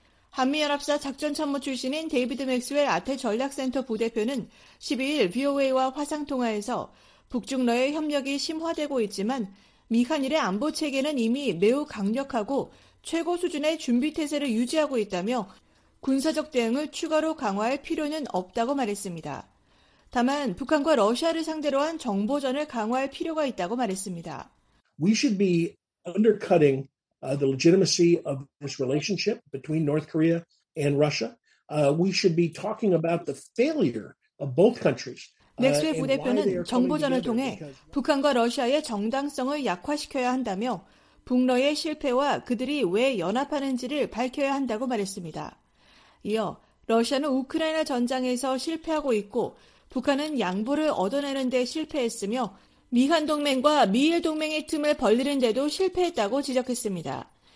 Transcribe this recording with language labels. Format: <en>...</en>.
<ko>한미연합사 작전참모 출신인 데이비드 맥스웰 아태전략센터 부대표는 12일 VOA와 화상통화에서 북중러의 협력이 심화되고 있지만 미한일의 안보체계는 이미 매우 강력하고 최고 수준의 준비태세를 유지하고 있다며 군사적 대응을 추가로 강화할 필요는 없다고 말했습니다. 다만 북한과 러시아를 상대로 한 정보전을 강화할 필요가 있다고 말했습니다.</ko> <en>We should be undercutting the legitimacy of this relationship between North Korea and Russia. We should be talking about the failure of both countries.</en> <ko>맥스웰 부대표는 정보전을 통해 북한과 러시아의 정당성을 약화시켜야 한다며 북러의 실패와 그들이 왜 연합하는지를 밝혀야 한다고 말했습니다. 이어 러시아는 우크라이나 전장에서 실패하고 있고 북한은 양보를 얻어내는 데 실패했으며 미한 동맹과 미일 동맹의 틈을 벌리는 데도 실패했다고 지적했습니다.</ko>